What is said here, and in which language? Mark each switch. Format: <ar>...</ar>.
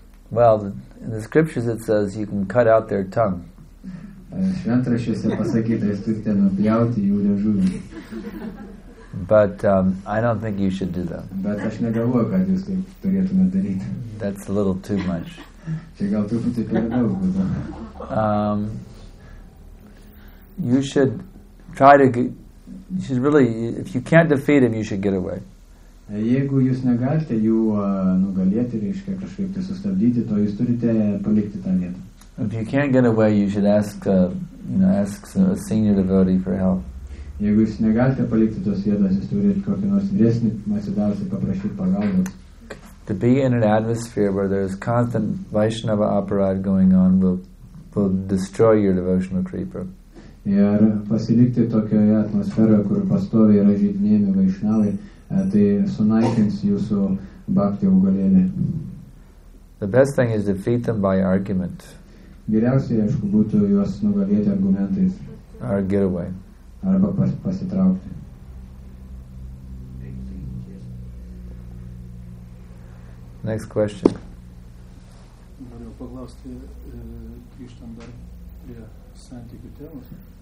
<en>Well, in the scriptures it says you can cut out their tongue.</en> <lt>Šventraščiuose pasakyta, jūs turite nupjauti jų liežuvį.</lt> <en>But I don't think you should do that.</en> <lt>Bet aš negalvoju, kad jūs turėtumėt daryti.</lt> <en>That's a little too much.</en> <lt>Čia gal truputį per daug.</lt> <en>You should try to get, you should really, if you can't defeat him, you should get away.</en> <lt>Jeigu jūs negalite jų nugalėti, reiškia kažkaip tai sustabdyti, to jūs turite palikti tą vietą.</lt> <en>If you can't get away, you should ask ask a senior devotee for help.</en> <lt>Jeigu jūs negalite palikti tos vietos, jūs turite kokį nors vyresnį pasidavusį paprašyti pagalbos.</lt> <en>To be in an atmosphere where there is constant Vaishnava aparat going on will destroy your devotional creeper.</en> <lt>Ir pasilikti tokioje atmosferoje, kur pastoviai yra žydinėjami Vaishnavai, tai sunaikins jūsų bhakti augalėlį.</lt> <en>The best thing is to defeat them by argument.</en> <lt>Geriausiai, aišku, būtų juos nugalėti argumentais.</lt> <en>Or get away.</en> <lt>Arba pasitraukti.</lt> <en>Next question.</en> <lt>Norėjau paklausti, grįžtant dar prie santykių temos.</lt>